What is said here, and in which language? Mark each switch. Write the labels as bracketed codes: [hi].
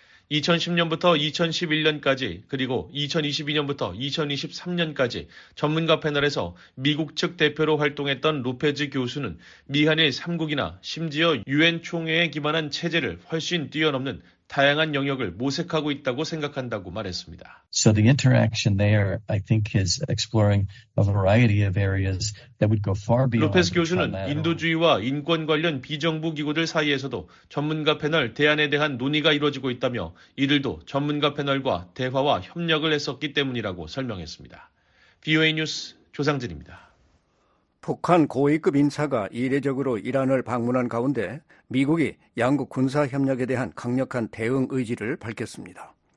[ko] 2010년부터 2011년까지 그리고 2022년부터 2023년까지 전문가 패널에서 미국 측 대표로 활동했던 로페즈 교수는 미한일 3국이나 심지어 유엔 총회에 기반한 체제를 훨씬 뛰어넘는 다양한 영역을 모색하고 있다고 생각한다고 말했습니다. [en] So the interaction there, I think, is exploring a variety of areas that would go far beyond. [ko] 로페스 교수는 인도주의와 인권 관련 비정부 기구들 사이에서도 전문가 패널 대안에 대한 논의가 이루어지고 있다며 이들도 전문가 패널과 대화와 협력을 했었기 때문이라고 설명했습니다. VOA 뉴스 조상진입니다. 북한 고위급 인사가 이례적으로 이란을 방문한 가운데 미국이 양국 군사협력에 대한 강력한 대응 의지를 밝혔습니다.